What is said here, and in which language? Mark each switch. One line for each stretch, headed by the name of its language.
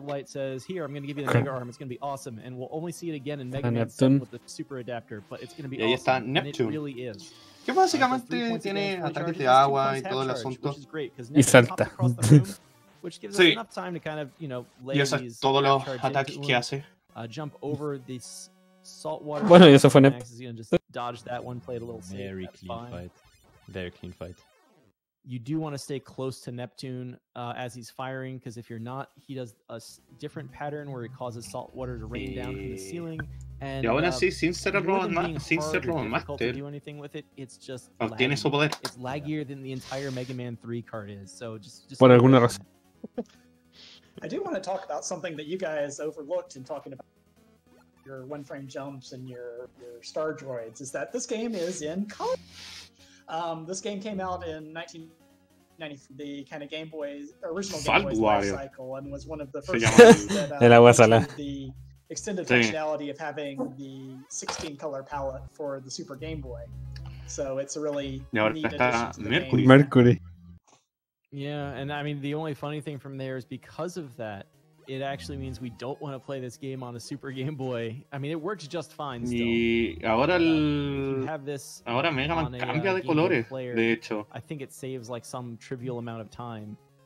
English: Light says, "Here, I'm going to give you the Mega Arm. It's going to be awesome, and we'll only see it again in Mega Man 7 with the super adapter, but it's going to be awesome."
Spanish: Y ahí está Neptune.
English: It really is.
Spanish: Que básicamente tiene ataques de agua y todo el asunto. Y salta. Sí. Y eso es todos los ataques que hace.
English: jump over this saltwater.
Spanish: Bueno, y eso fue Nep.
English: Is gonna just dodge that one, play it a little safe. Very clean fight. Very clean fight. You do want to stay close to Neptune as he's firing, because if you're not, he does a different pattern where he causes salt water to rain down from the ceiling. And,
Spanish: y aún así, sin ser el Robot Master, obtiene su poder.
English: It's laggier than the entire Mega Man 3 card is. So just
Spanish: por alguna razón.
English: I do want to talk about something that you guys overlooked in talking about your one-frame jumps and your star droids, is that this game is in color. This game came out in 1990, the kind of Game Boy's original Game Boy's life cycle, and was one of the first ones that the extended functionality of having the 16 color palette for the Super Game Boy. So it's a really neat addition to the Mercury. Game. Mercury. Yeah, and I mean, the only funny thing from there is because of that, it actually means we don't want to play this game on a Super Game Boy. I mean, it works just fine still.
Spanish: Y ahora ahora Mega Man cambia de colores, player, de hecho.
English: I think it saves like some trivial amount of time.